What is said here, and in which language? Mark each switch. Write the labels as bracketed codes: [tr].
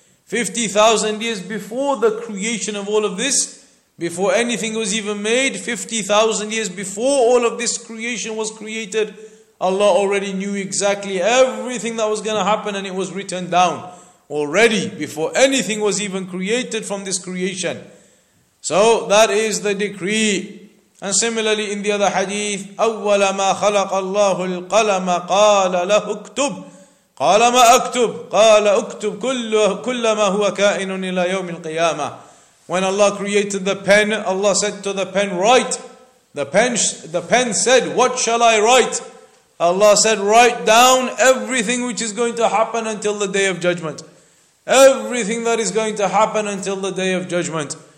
[en] 50,000 years before the creation of all of this, before anything was even made, 50,000 years before all of this creation was created, Allah already knew exactly everything that was going to happen, and it was written down already before anything was even created from this creation. So that is the decree. And similarly in the other hadith, [ar] أول ما خلق الله القلم قال له اكتب قال ما اكتب قال اكتب كل ما هو كائن إلى يوم القيامة. [en] When Allah created the pen, Allah said to the pen, write. The pen said, what shall I write? Allah said, write down everything which is going to happen until the day of judgment. Everything that is going to happen until the day of judgment.